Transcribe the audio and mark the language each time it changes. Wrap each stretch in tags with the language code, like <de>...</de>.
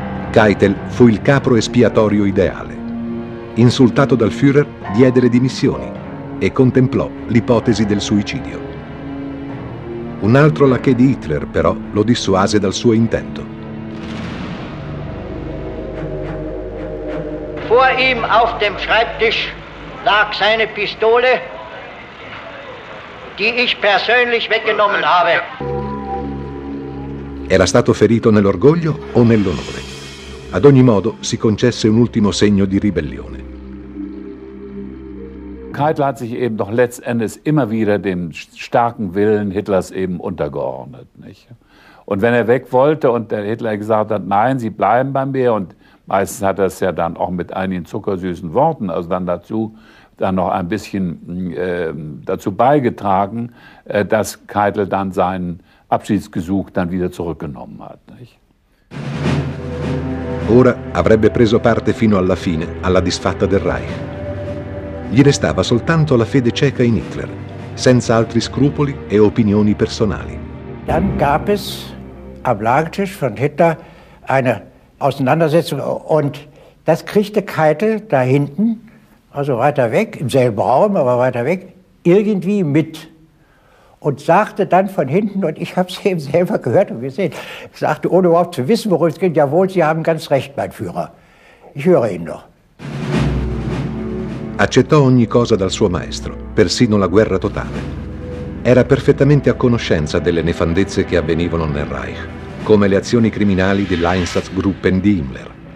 <it>Keitel fu il capro espiatorio ideale. Insultato dal Führer, diede le dimissioni e contemplò l'ipotesi del suicidio. Un altro lacchè di Hitler, però, lo dissuase dal suo intento.</it> <de>Vor ihm auf dem Schreibtisch lag seine Pistole, die ich persönlich weggenommen habe.</de> <it>Era stato ferito nell'orgoglio o nell'onore? Ad ogni modo, si concesse un ultimo segno di ribellione.</it> <de>Keitel hat sich eben doch letztendlich immer wieder dem starken Willen Hitlers eben untergeordnet. Nicht? Und wenn er weg wollte und der Hitler gesagt hat, nein, Sie bleiben bei mir, und meistens hat er es ja dann auch mit einigen zuckersüßen Worten, also dann dazu, dann noch ein bisschen dazu beigetragen, dass Keitel dann seinen Abschiedsgesuch dann wieder zurückgenommen hat. Nicht?</de> <it>Ora avrebbe preso parte fino alla fine alla disfatta del Reich. Gli restava soltanto la fede cieca in Hitler, senza altri scrupoli e opinioni personali.</it> <de>Dann gab es am Lagertisch von Hitler eine Auseinandersetzung und das kriegte Keitel da hinten, also weiter weg, im selben Raum, aber weiter weg, irgendwie mit und sagte dann von hinten, und ich habe es eben selber gehört und gesehen, sagte, ohne überhaupt zu wissen, worum es geht, jawohl, Sie haben ganz recht, mein Führer, ich höre ihn noch.</de> <it>Accettò ogni cosa dal suo maestro, persino la guerra totale. Era perfettamente a conoscenza delle nefandezze che avvenivano nel Reich, come le azioni criminali dell'Einsatzgruppen di Himmler.</it>